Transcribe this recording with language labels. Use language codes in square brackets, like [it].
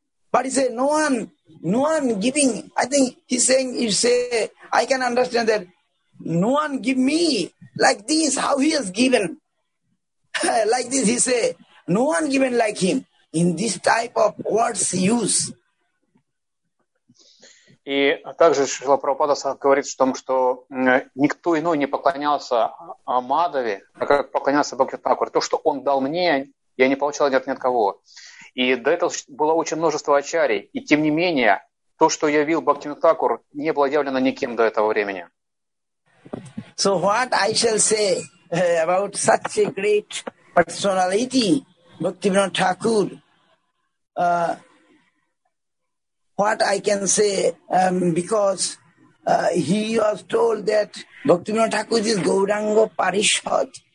[en] But he said, no one giving, I think he's saying, you say, I can understand that, no one give me like this, how he has given. Like this, he say, no one given like him. In this type of words he use. [ru] И также Шрила Прабхупада говорит о том, что никто иной не поклонялся Мадхаве, а как поклонялся Бхактивинода Такуру. То, что он дал мне, я не получал ни от кого. И до этого было очень множество ачарий. И тем не менее, то, что явил Бхактивинода Такуру, не было явлено никем до этого времени. [en] So what I shall say about such a great personality, Bhaktivinoda Thakur, what I can say, because he was told that Bhaktivinoda Thakur is Gauranga Parishad.